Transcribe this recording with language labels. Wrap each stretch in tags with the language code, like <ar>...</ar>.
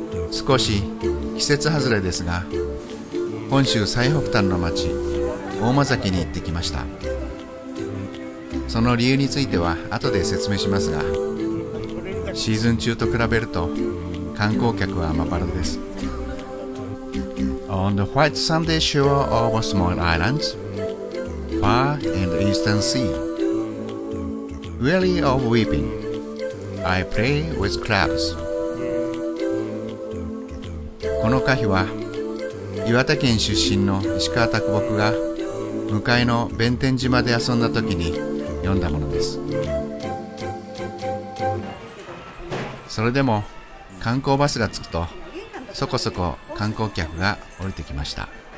<ja>少し季節外れですが、本州最北端の町大間崎に行ってきました。その理由については後で説明しますが、シーズン中と比べると観光客はまばらです。</ja> <en>On the white sandy shore of a small island far in the eastern sea, weary of weeping, I play with clouds。</en> <ja>この歌詞は岩手県出身の石川啄木が向かいの弁天島で遊んだ時に読んだものです。それでも観光バスが着くと、そこそこ観光客が降りてきました。</ja>